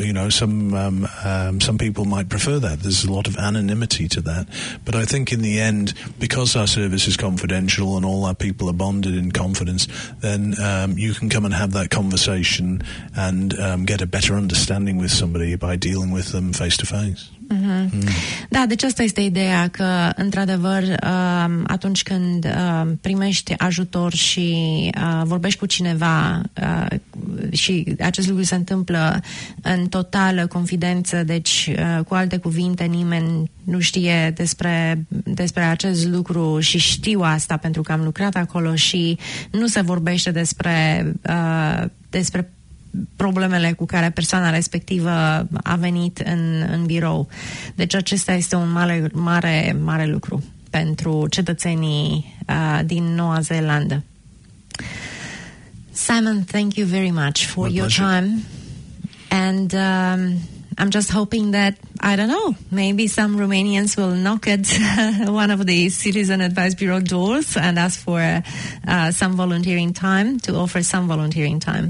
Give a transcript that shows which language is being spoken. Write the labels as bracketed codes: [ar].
[en] You know, some people might prefer that. There's a lot of anonymity to that, but I think in the end, because our service is confidential and all our people are bonded in confidence, then you can come and have that conversation and get a better understanding with somebody by dealing with them face to face. [ro] Da, deci asta este ideea, că într-adevăr atunci când primești ajutor și vorbești cu cineva și acest lucru se întâmplă în totală confidență, deci cu alte cuvinte, nimeni nu știe despre acest lucru și știu asta pentru că am lucrat acolo și nu se vorbește despre problemele cu care persoana respectivă a venit în birou. Deci acesta este un mare, mare, mare lucru pentru cetățenii din Noua Zeelandă. [en] Simon, thank you very much for My your pleasure. Time. And I'm just hoping that, I don't know, maybe some Romanians will knock at one of the Citizen Advice Bureau doors and ask for some volunteering time, to offer some volunteering time.